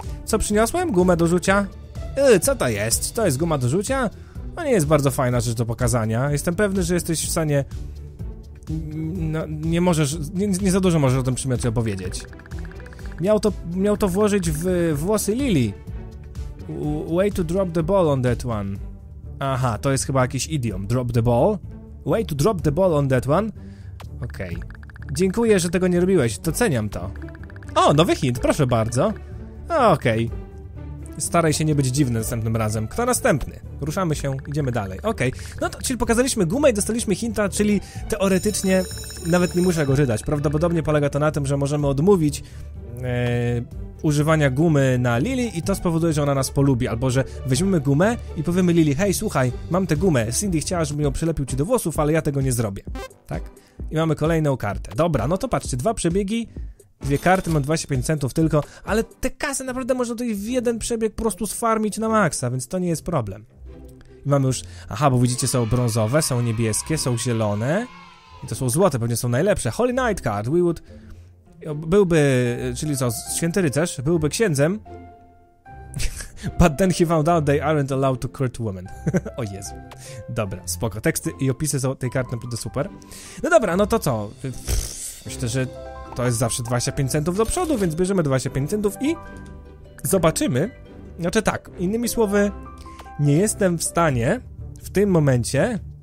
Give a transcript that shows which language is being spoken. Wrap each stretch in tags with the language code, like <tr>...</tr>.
<pl>Co przyniosłem? Gumę do rzucia? Co to jest? To jest guma do rzucia? No nie jest bardzo fajna rzecz do pokazania. Jestem pewny, że jesteś w stanie... No, nie możesz... Nie za dużo możesz o tym przymiocie opowiedzieć. Miał to włożyć w włosy Lily.</pl> <en>Way to drop the ball on that one.</en> <pl>Aha, to jest chyba jakiś idiom.</pl> <en>Drop the ball? Way to drop the ball on that one?</en> <pl>Okej. Dziękuję, że tego nie robiłeś. Doceniam to. O, nowy hint, proszę bardzo. Okej. Staraj się nie być dziwny następnym razem. Kto następny? Ruszamy się, idziemy dalej. Okej. No to, czyli pokazaliśmy gumę i dostaliśmy hinta, czyli teoretycznie nawet nie muszę go czytać. Prawdopodobnie polega to na tym, że możemy odmówić używania gumy na Lily i to spowoduje, że ona nas polubi. Albo, że weźmiemy gumę i powiemy Lily: hej, słuchaj, mam tę gumę. Cindy chciała, żebym ją przylepił ci do włosów, ale ja tego nie zrobię. Tak? I mamy kolejną kartę. Dobra, no to patrzcie, dwa przebiegi. Dwie karty, mam 25 centów tylko, ale te kasy naprawdę można tutaj w jeden przebieg po prostu sfarmić na maksa, więc to nie jest problem. I mamy już, aha, bo widzicie, są brązowe, są niebieskie, są zielone i to są złote, pewnie są najlepsze.</pl> <en>Holy Knight card, we would...</en> <pl>Byłby, czyli co, święty rycerz, byłby księdzem.</pl> <en>But then he found out they aren't allowed to court women.</en> <pl>O Jezu. Dobra, spoko. Teksty i opisy są tej karty naprawdę super. No dobra, no to co? Myślę, że... To jest zawsze 25 centów do przodu, więc bierzemy 25 centów i zobaczymy. Znaczy tak, innymi słowy, nie jestem w stanie w tym momencie...</pl>